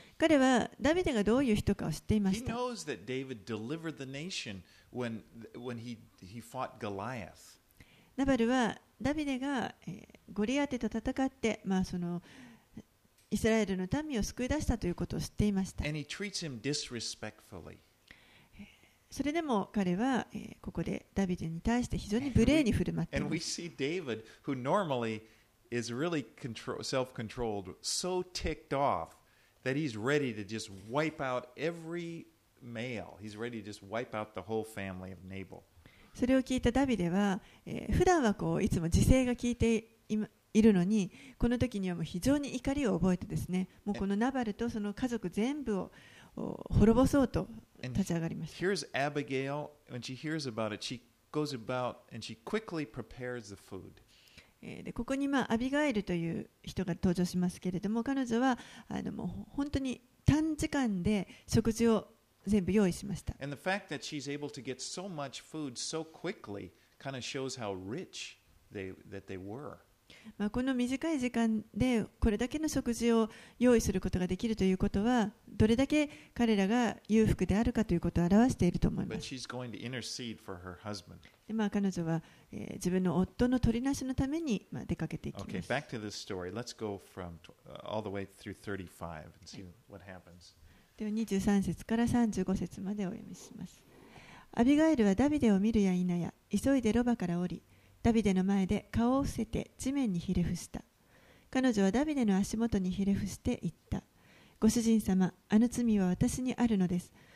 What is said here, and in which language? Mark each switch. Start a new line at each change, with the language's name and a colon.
Japanese: 彼はダビデがどういう人かを知っていました。ナバルはダビデがゴリアテと戦って、まあ、そのイスラエルの民を救い出したということを知っていました。
English: And he treats him disrespectfully.
Japanese: それでも彼はここでダビデに対して非常に無礼に振る舞っています。
English: David, who normally is really self-controlled, so ticked offThat he's ready to just wipe out every male. He's ready to just wipe out the whole family of Nabal.
Japanese: それを聞いたダビデは、普段はこういつも自制が効いているのに、この時にはもう非常に怒りを覚えてですね、もうこのナバルとその家族全部を滅ぼそうと立ち上がりました。
English: Here's Abigail. When she hears about it, she goes about and she quickly prepares the food.
Japanese: でここに、まあ、アビガエルという人が登場しますけれども彼女はもう本当に短時間で食事を全部用意しましたこの短い時間でこれだけの食事を用意することができるということはどれだけ彼らが裕福であるかということを表していると思います。でまあ、彼女は、自分の夫の取りなしのために、まあ、出かけていきます。
English: Okay, back to the story. Let's go from all the way through 35 and see what happens.
Japanese: では23節から35節までお読みします。アビガエルはダビデを見るや否や、急いでロバから降り、ダビデの前で顔を伏せて地面にひれ伏した。彼女はダビデの足元にひれ伏して言った。ご主人様、あの罪は私にあるのです。